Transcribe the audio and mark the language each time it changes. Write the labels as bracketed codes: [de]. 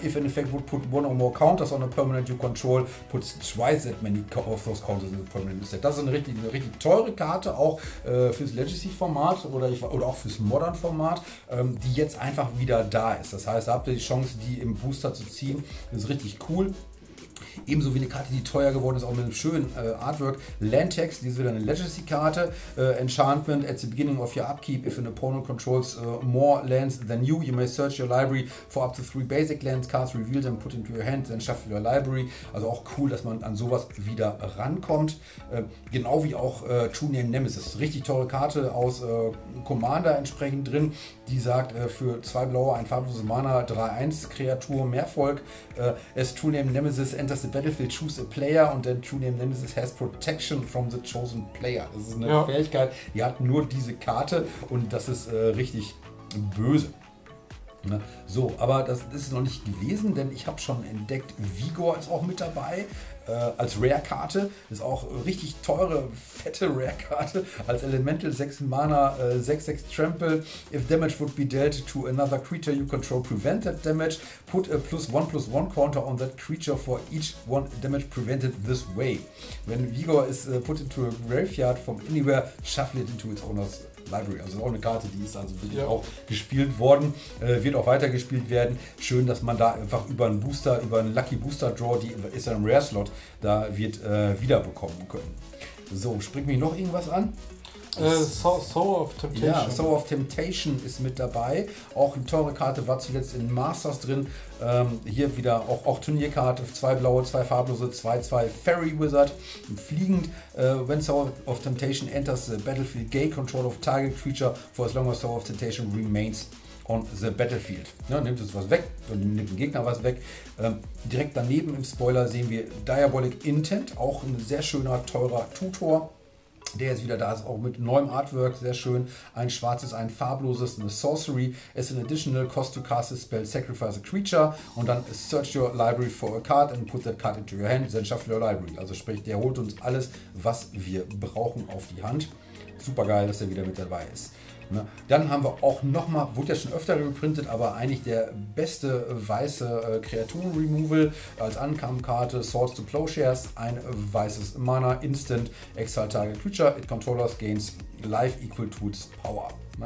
[en] If an effect would put one or more counters on a permanent you control, puts twice that many of those counters on a permanent instead. [de] Das ist eine richtig teure Karte, auch fürs Legacy-Format oder auch fürs Modern-Format, die jetzt einfach wieder da ist. Das heißt, da habt ihr die Chance, die im Booster zu ziehen. Das ist richtig cool. Ebenso wie eine Karte, die teuer geworden ist, auch mit einem schönen Artwork. Lantex, die ist wieder eine Legacy-Karte. [en] Enchantment, at the beginning of your upkeep, if an opponent controls more lands than you, you may search your library for up to 3 basic lands, cards reveal them, put into your hand, then shuffle your library. [de] Also auch cool, dass man an sowas wieder rankommt. Genau wie auch True Name Nemesis. Richtig teure Karte aus Commander entsprechend drin. Die sagt, für 2 blaue, ein farbloses Mana, 3-1 Kreatur, Mehrvolk. [en] As True Name Nemesis enters the battlefield, choose a player and then True Name Nemesis has protection from the chosen player. [de] Das ist eine Fähigkeit, die hat nur diese Karte und das ist richtig böse. Ne? So, aber das ist noch nicht gewesen, denn ich habe schon entdeckt, Vigor ist auch mit dabei. Als Rare-Karte, ist auch richtig teure, fette Rare-Karte, als Elemental 6 Mana 6-6 [en] Trample, if damage would be dealt to another creature you control, prevent that damage, put a +1/+1 counter on that creature for each one damage prevented this way. When Vigor is put into a graveyard from anywhere, shuffle it into its owner's Library, [de] also auch eine Karte, die ist also wirklich auch gespielt worden, wird auch weitergespielt werden. Schön, dass man da einfach über einen Booster, über einen Lucky Booster Draw, die ist ein Rare Slot, da wird wiederbekommen können. So, springt mich noch irgendwas an? Soul of Temptation. Ja, Soul of Temptation ist mit dabei. Auch eine teure Karte, war zuletzt in Masters drin. Hier wieder auch Turnierkarte, 2 blaue, 2 farblose, 2/2 Fairy Wizard. [en] Fliegend, when Soul of Temptation enters the battlefield, gain control of target creature for as long as Soul of Temptation remains on the battlefield. [de] Ne, nimmt uns was weg, nimmt den Gegner was weg. Direkt daneben im Spoiler sehen wir Diabolic Intent, auch ein sehr schöner, teurer Tutor. Der ist wieder da, ist auch mit neuem Artwork, sehr schön. Ein schwarzes, ein farbloses, eine Sorcery. [en] As an additional cost to cast a spell, sacrifice a creature. [de] Und dann [en] search your library for a card and put that card into your hand, then shuffle your library. [de] Also sprich, der holt uns alles, was wir brauchen, auf die Hand. Super geil, dass er wieder mit dabei ist. Ne? Dann haben wir auch nochmal, wurde ja schon öfter geprintet, aber eigentlich der beste weiße Kreaturen-Removal als Ankamm-Karte, Swords to Plowshares, ein weißes Mana, Instant, [en] Exile Target Creature, it controllers gains life equal to its power. [de] Ne?